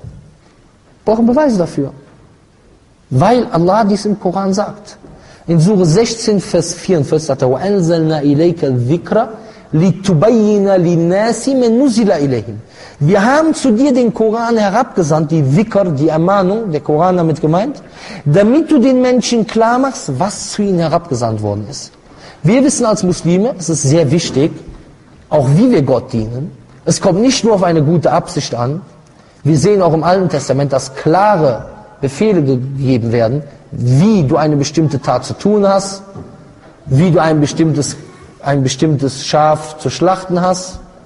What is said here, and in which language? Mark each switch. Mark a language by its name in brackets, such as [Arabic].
[German] Wir brauchen Beweise dafür. Weil Allah dies im Koran sagt. In Sure 16, Vers 44 sagt er, [Arabic] وَأَنْزَلْنَا إِلَيْكَ الذِّكْرَ لِتُبَيِّنَ لِلنَّاسِ مَنْ نُزِلَ إِلَيْهِمْ. [German] Wir haben zu dir den Koran herabgesandt, die Dhikr, die Ermahnung, der Koran damit gemeint, damit du den Menschen klar machst, was zu ihnen herabgesandt worden ist. Wir wissen als Muslime, es ist sehr wichtig, auch wie wir Gott dienen. Es kommt nicht nur auf eine gute Absicht an. Wir sehen auch im Alten Testament, dass klare Befehle gegeben werden, wie du eine bestimmte Tat zu tun hast, wie du ein bestimmtes Schaf zu schlachten hast.